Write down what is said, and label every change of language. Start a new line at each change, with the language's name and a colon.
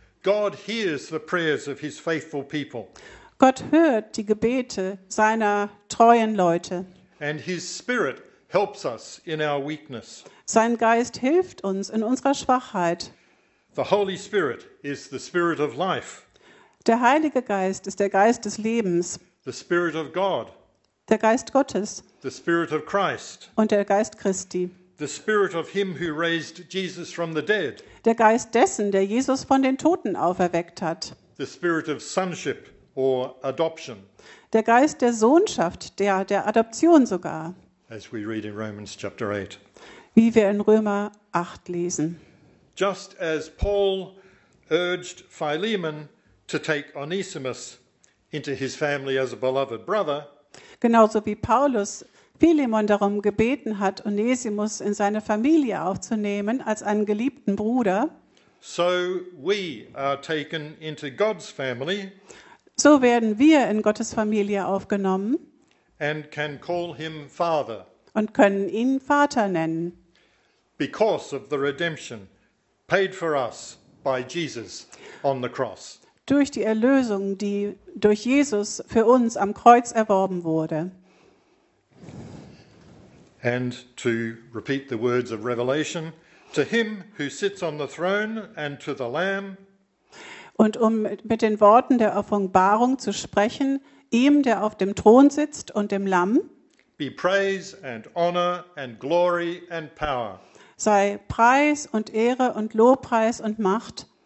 English: God hears the prayers of his faithful people.
German: Gott hört die Gebete seiner treuen Leute.
English: And his spirit helps us in our weakness.
German: Sein Geist hilft uns in unserer Schwachheit.
English: The Holy Spirit is the spirit of life.
German: Der Heilige Geist ist der Geist des Lebens.
English: The spirit of God.
German: Der Geist Gottes.
English: The spirit of Christ.
German: Und der Geist Christi.
English: The spirit of him who raised Jesus from the dead.
German: Der Geist dessen, der Jesus von den Toten auferweckt hat.
English: The spirit of sonship or adoption.
German: Der Geist der Sohnschaft, der Adoption sogar.
English: As we read in Romans chapter 8.
German: Wie wir in Römer 8 lesen.
English: Just as Paul urged Philemon to take Onesimus into his family as a beloved brother.
German: Genauso wie Paulus Philemon darum gebeten hat, Onesimus in seine Familie aufzunehmen als einen geliebten Bruder.
English: So we are taken into God's family.
German: So werden wir in Gottes Familie aufgenommen.
English: And can call him father.
German: Und können ihn Vater nennen.
English: Because of the redemption paid for us by Jesus on the cross.
German: Durch die Erlösung, die durch Jesus für uns am Kreuz erworben wurde.
English: And to repeat the words of Revelation, to him who sits on the throne and to the Lamb.
German: Und um mit den Worten der Offenbarung zu sprechen, ihm, der auf dem Thron sitzt und dem Lamm,
English: be praise and honor and glory and power.
German: Sei Preis und Ehre und Lobpreis und Macht